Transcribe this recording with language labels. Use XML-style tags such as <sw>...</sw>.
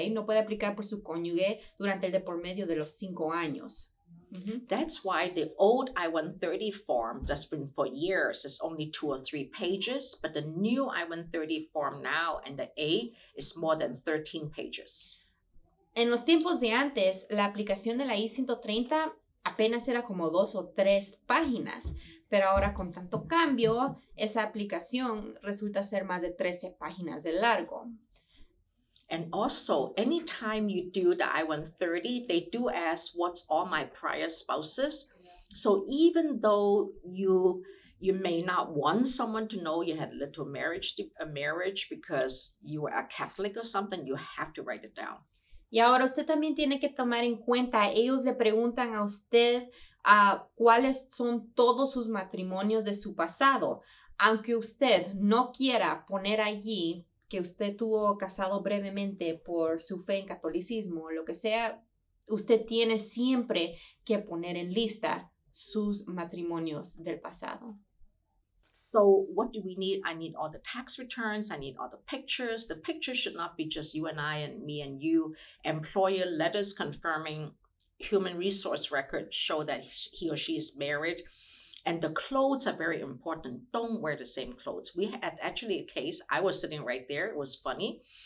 <es>No puede aplicar por su cónyuge durante el de por medio de los 5 años.</es> <en>That's why the old I-130 form that's been for years is only 2 or 3 pages, but the new I-130 form now and the A is more than 13 pages.</en> <es>En los tiempos de antes, la aplicación de la I-130 apenas era como 2 o 3 páginas, pero ahora con tanto cambio, esa aplicación resulta ser más de 13 páginas de largo.</es> <en>And also, anytime you do the I-130, they do ask what's all my prior spouses. So even though you may not want someone to know you had a marriage because you were a Catholic or something, you have to write it down.</en> <es>Y ahora usted también tiene que tomar en cuenta, ellos le preguntan a usted cuáles son todos sus matrimonios de su pasado. Aunque usted no quiera poner allí que usted tuvo casado brevemente por su fe en catolicismo o lo que sea, usted tiene siempre que poner en lista sus matrimonios del pasado.</es> <en>So what do we need? I need all the tax returns. I need all the pictures. The pictures should not be just you and I and me and you. Employer letters confirming, human resource records show that he or she is married. And the clothes are very important. Don't wear the same clothes. We had actually a case. I was sitting right there. It was funny.</en>